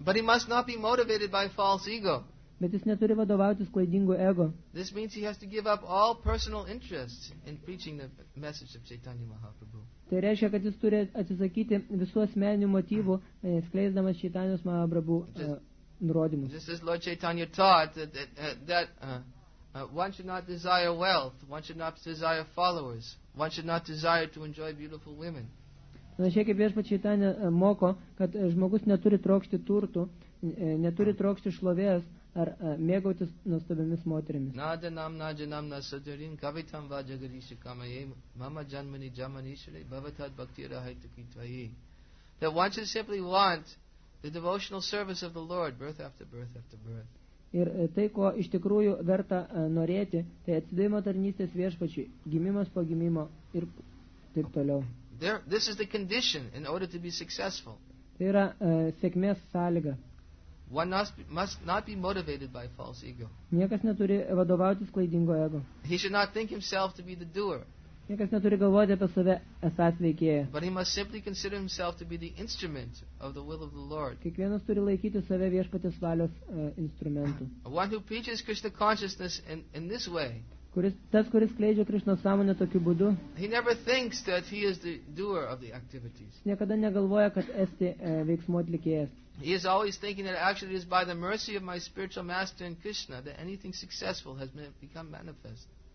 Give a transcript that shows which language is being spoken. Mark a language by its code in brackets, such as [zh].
[en] But he must not be motivated by false ego. [lt] Bet jis neturi vadovautis klaidingu ego. [en] This means he has to give up all personal interests in preaching the message of Chaitanya Mahaprabhu. [lt] Tai reiškia, kad jis turi atsisakyti visų asmeninių motyvų, skleisdamas Čaitanijos Mahaprabhu nurodymus. [en] Just as Lord Chaitanya taught that one should not desire wealth, one should not desire followers, one should not desire to enjoy beautiful women. [lt] Panašiai kaip viešpats Čaitanya moko, kad žmogus neturi trokšti turtų, neturi trokšti šlovės, ar mėgautis nuostabiomis moterimis. [sa] Nadanam najanam nasadarin kavitam vajagadisha kamaye mama janmani jamanishare bhavatad bhaktira haitakitvayi. [en] That one should simply want the devotional service of the Lord birth after birth after birth. [lt] Ir tai, ko iš tikrųjų verta norėti, tai atsidavimo tarnystės viešpačiui, gimimas po gimimo ir taip toliau. [en] This is the condition in order to be successful. [lt] Tai yra sėkmės sąlyga. [en] One must not be motivated by false ego. [lt] Niekas neturi vadovautis klaidingo ego. [en] He should not think himself to be the doer. [lt] Niekas neturi galvoti apie save esąs veikėjas. [en] But he must simply consider himself to be the instrument of the will of the Lord. [lt] Kiekvienas turi laikyti save viešpaties valios instrumentu. [en] One who preaches Krishna consciousness in this way. [lt] Kuris skleidžia Krishna sąmonę tokiu būdu. [en] He never thinks that he is the doer of the activities. [lt] Niekada negalvoja, kad esti veiksmo atlikėjas. [en] He is always thinking that actually it is by the mercy of my spiritual master in Krishna that anything successful has become manifest.